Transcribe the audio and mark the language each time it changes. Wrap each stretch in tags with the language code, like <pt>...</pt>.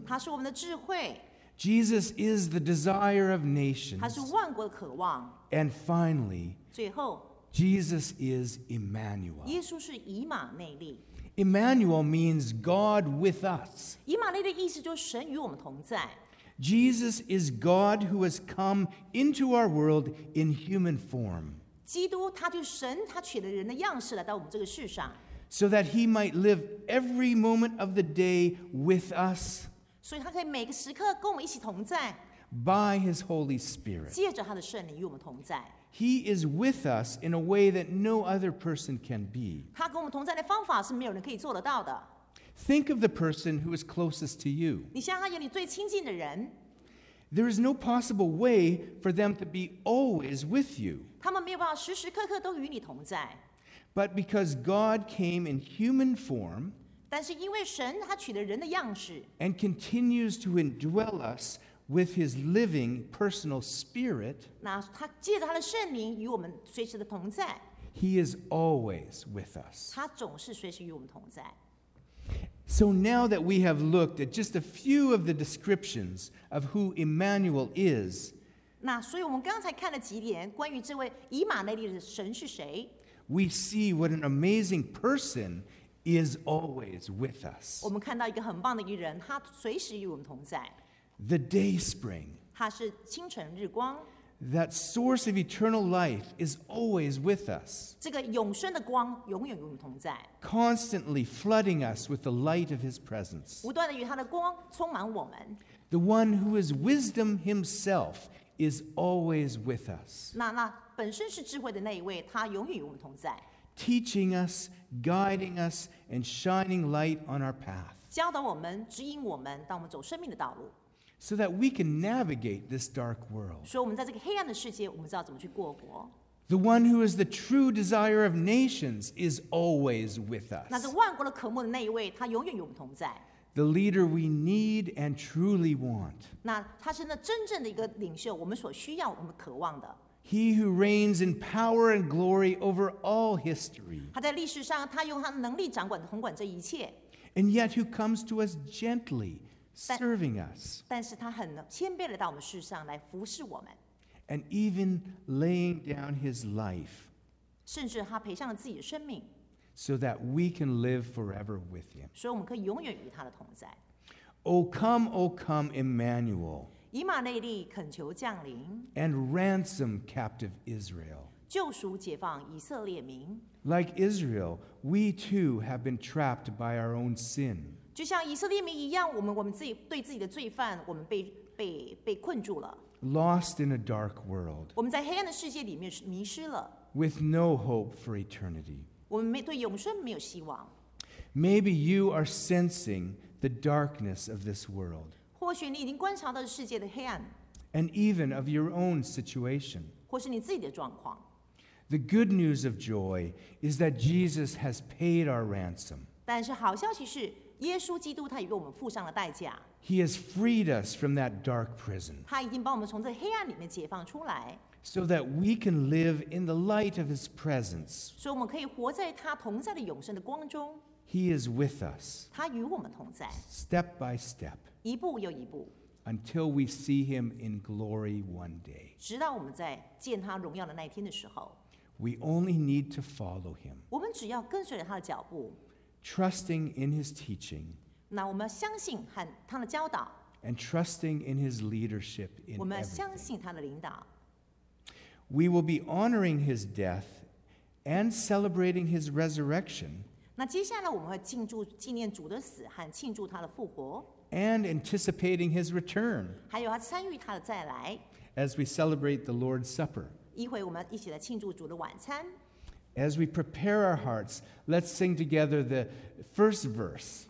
<zh>他是我们的智慧。</zh> <en>Jesus is the desire of nations.</en> <zh>他是万国的渴望。</zh> <en>And finally,</en> <zh>最后</zh> <en>Jesus is Emmanuel.</en> <zh>耶稣是以马内利。</zh> <en>Emmanuel means God with us.</en> <zh>以马内利的意思就是神与我们同在。</zh> <en>Jesus is God who has come into our world in human form.</en> <zh>基督他就是神，他取了人的样式来到我们这个世上。</zh> <en>So that he might live every moment of the day with us.</en> <zh>所以他可以每个时刻跟我们一起同在。</zh> <en>By his Holy Spirit.</en> <zh>借着他的圣灵与我们同在。</zh> <en>He is with us in a way that no other person can be.</en> <zh>他跟我们同在的方法是没有人可以做得到的。</zh> <en>Think of the person who is closest to you.</en> <zh>你想想有你最亲近的人。</zh> <en>There is no possible way for them to be always with you.</en> <zh>他们没有办法时时刻刻都与你同在。</zh> <en>But because God came in human form,</en> <zh>但是因为神他取了人的样式。</zh> <en>And continues to indwell us with his living personal spirit,</en> <zh>那他借着他的圣灵与我们随时的同在。</zh> <en>He is always with us.</en> <zh>他总是随时与我们同在。</zh> <en>So now that we have looked at just a few of the descriptions of who Emmanuel is,</en> <zh>那所以我们刚才看了几点关于这位以马内利的神是谁，</zh> <en>we see what an amazing person is always with us.</en> <zh>我们看到一个很棒的一人，他随时与我们同在。</zh> <en>The day spring,</en> <zh>他是清晨日光。</zh> <en>That source of eternal life is always with us.</en> <zh>这个永生的光永远与我们同在。</zh> <en>Constantly flooding us with the light of his presence.</en> <zh>不断地与他的光充满我们。</zh> <en>The one who is wisdom himself is always with us.</en> <zh>那本身是智慧的那一位，他永远与我们同在。</zh> <en>Teaching us, guiding us, and shining light on our path.</en> <zh>教导我们，指引我们，当我们走生命的道路。</zh> <en>So that we can navigate this dark world.</en> <zh>所以我们在这个黑暗的世界，我们知道怎么去过活。</zh> <en>The one who is the true desire of nations is always with us.</en> <zh>那是万国的渴慕的那一位，他永远与我们同在。</zh> <en>The leader we need and truly want.</en> <zh>那他是那真正的一个领袖，我们所需要，我们渴望的。</zh> <en>He who reigns in power and glory over all history.</en> <zh>他在历史上，他用他的能力掌管、统管这一切。</zh> <en>And yet, who comes to us gently? Serving us,</en> <zh>但是他很谦卑地到我们世上来服侍我们。</zh> <en>And even laying down his life,</en> <zh>甚至他赔上了自己的生命。</zh> <en>So that we can live forever with him,</en> <zh>所以我们可以永远与他的同在。</zh> <en>O come, Emmanuel,</en> <zh>以马内利，恳求降临。</zh> <en>And ransom captive Israel,</en> <zh>救赎解放以色列民。</zh> <en>Like Israel, we too have been trapped by our own sin.</en> <zh>就像以色列民一样，我们自己对自己的罪犯，我们被困住了。</zh> <en>Lost in a dark world.</en> <zh>我们在黑暗的世界里面迷失了。</zh> <en>With no hope for eternity.</en> <zh>我们对永生没有希望。</zh> <en>Maybe you are sensing the darkness of this world.</en> <zh>或许你已经观察到世界的黑暗。</zh> <en>And even of your own situation.</en> <zh>或是你自己的状况。</zh> <en>The good news of joy is that Jesus has paid our ransom.</en> <zh>但是好消息是。耶稣基督他已为我们付上了代价。</zh> <en>He has freed us from that dark prison.</en> <zh>他已经把我们从这黑暗里面解放出来。</zh> <en>So that we can live in the light of his presence.</en> <zh>所以我们可以活在他同在的永生的光中。</zh> <en>He is with us.</en> <zh>他与我们同在。</zh> <en>Step by step.</en> <zh>一步又一步。</zh> <en>Until we see him in glory one day.</en> <zh>直到我们在见他荣耀的那一天的时候。</zh> <en>We only need to follow him.</en> <zh>我们只要跟随着他的脚步。</zh> <en>Trusting in his teaching,</en> <zh>那我们相信和他的教导</zh> <en>and trusting in his leadership in everything.</en> <zh>我们相信他的领导。</zh> <en>We will be honoring his death and celebrating his resurrection.</en> <zh>那接下来我们会庆祝纪念主的死和庆祝他的复活</zh> <en>and anticipating his return.</en> <zh>还有他参与他的再来</zh> <en>as we celebrate the Lord's Supper.</en> <zh>一会我们一起来庆祝主的晚餐。</zh> <en>As we prepare our hearts, let's sing together the first verse.</en>